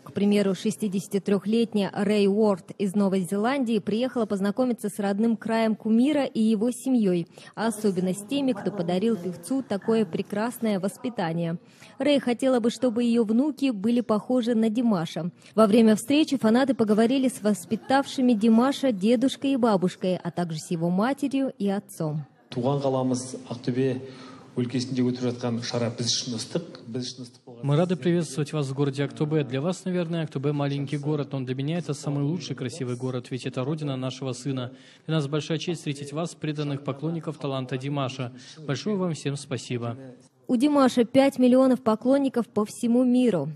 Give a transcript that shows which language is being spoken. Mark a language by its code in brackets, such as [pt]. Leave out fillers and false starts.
[ru] К примеру, 63-летняя Рэй Уорд из Новой Зеландии приехала познакомиться с родным краем кумира и его семьей, а особенно с теми, кто подарил певцу такое прекрасное воспитание. Рэй хотела бы, чтобы ее внуки были похожи на Димаша. Во время встречи фанаты поговорили с воспитавшими Димаша дедушкой и бабушкой, а также с его матерью и отцом. [kk] Туған қаламыз Ақтөбе өлкесінде өтіп жатқан шара біз үшін ыстық. [ru] Мы рады приветствовать вас в городе Актобе. Для вас, наверное, Актобе – маленький город, но для меня это самый лучший красивый город, ведь это родина нашего сына. Для нас большая честь встретить вас, преданных поклонников таланта Димаша. Большое вам всем спасибо. У Димаша 5 миллионов поклонников по всему миру.